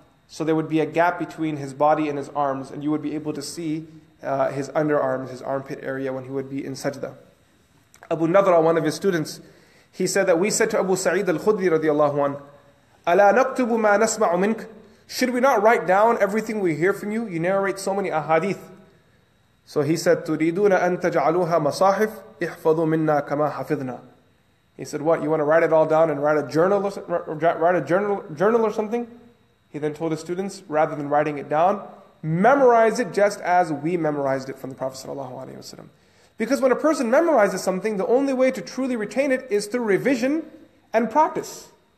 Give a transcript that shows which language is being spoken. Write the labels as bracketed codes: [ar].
[en] So there would be a gap between his body and his arms, and you would be able to see his underarms, his armpit area, when he would be in sajda. Abu Nadra, one of his students, he said that we said to Abu Sa'id al-Khudri radiallahu anhu, [ar] أَلَا نَكْتُبُ مَا نَسْمَعُ مِنْكَ. [en] Should we not write down everything we hear from you? You narrate so many ahadith. So he said, [ar] تُرِيدُونَ أَن تَجْعَلُوهَا مَصَاحِفْ إِحْفَظُوا مِنَّا كَمَا حَفِظْنَا. [en] He said, what, you want to write it all down and write a journal or something? He then told his students, rather than writing it down, memorize it just as we memorized it from the Prophet sallallahu alaihi wasallam. Because when a person memorizes something, the only way to truly retain it is through revision and practice.